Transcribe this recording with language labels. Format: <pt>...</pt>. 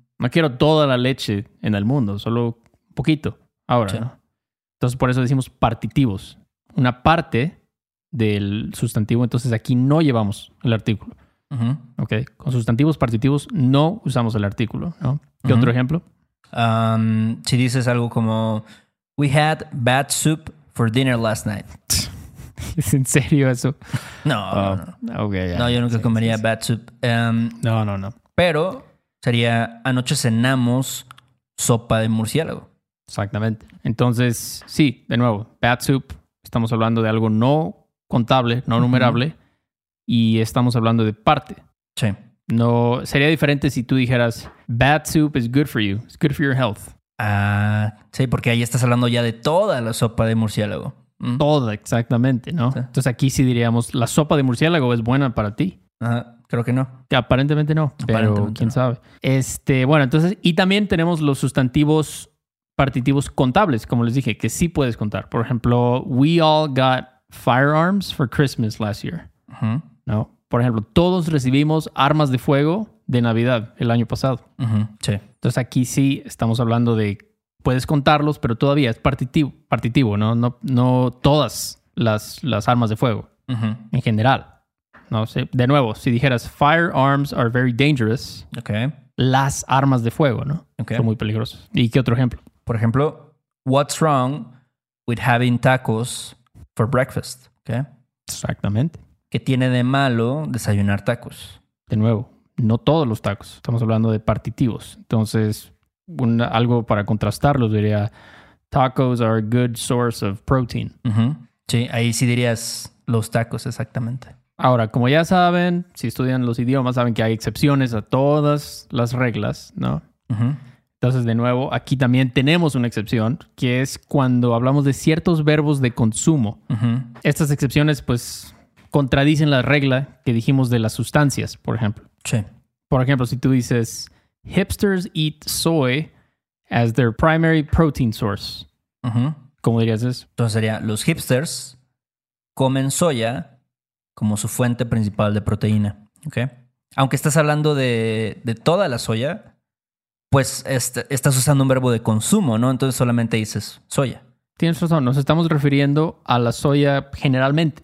<es>No quiero toda la leche en el mundo, solo un poquito. Ahora, sí. ¿No? Entonces, por eso decimos partitivos. Una parte del sustantivo. Entonces, aquí no llevamos el artículo. Uh-huh. Okay. Con sustantivos partitivos no usamos el artículo. ¿No? ¿Qué uh-huh. otro ejemplo? Si dices algo como,</es> <en>we had bad soup for dinner last night.</en> <es>¿Es en serio eso? No.</es> <en>Okay,</en> <es>yeah. No, yo nunca comería</es> <en>bad soup.</en> <es>No. Pero sería anoche cenamos sopa de murciélago. Exactamente. Entonces, sí, de nuevo,</es> <en>bat soup,</en> <es>estamos hablando de algo no contable, no numerable, y estamos hablando de parte. Sí. No, sería diferente si tú dijeras,</es> <en>bat soup is good for you, it's good for your health.</en> <es>Ah, sí, porque ahí estás hablando ya de toda la sopa de murciélago. Toda, exactamente, ¿no? Sí. Entonces aquí sí diríamos, la sopa de murciélago es buena para ti. Creo que no. Aparentemente no, pero quién sabe. Bueno, entonces, y también tenemos los sustantivos partitivos contables, como les dije, que sí puedes contar. Por ejemplo,</es> <en>we all got firearms for Christmas last year. ¿No?</en> <es>Por ejemplo, todos recibimos armas de fuego de Navidad el año pasado. Sí. Entonces aquí sí estamos hablando de, puedes contarlos, pero todavía es partitivo, ¿no? No todas las armas de fuego en general. No sé. De nuevo, si dijeras</es> <en>firearms are very dangerous,</en> <es>las armas de fuego, ¿no? Son muy peligrosas. ¿Y qué otro ejemplo? Por ejemplo,</es> <en>what's wrong with having tacos for breakfast?</en> <es>Exactamente. ¿Qué tiene de malo desayunar tacos? De nuevo, no todos los tacos. Estamos hablando de partitivos. Entonces, algo para contrastarlo diría,</es> <en>tacos are a good source of protein.</en> <es>Uh-huh. Sí, ahí sí dirías los tacos exactamente. Ahora, como ya saben, si estudian los idiomas, saben que hay excepciones a todas las reglas, ¿no? Entonces, de nuevo, aquí también tenemos una excepción, que es cuando hablamos de ciertos verbos de consumo. Estas excepciones, pues, contradicen la regla que dijimos de las sustancias, por ejemplo. Sí. Por ejemplo, si tú dices,</es> <en>hipsters eat soy as their primary protein source.</en> <es>¿Cómo dirías eso? Entonces sería, los hipsters comen soya como su fuente principal de proteína, ¿ok? Aunque estás hablando de toda la soya, pues estás usando un verbo de consumo, ¿no? Entonces solamente dices soya. Tienes razón. Nos estamos refiriendo a la soya generalmente.</es>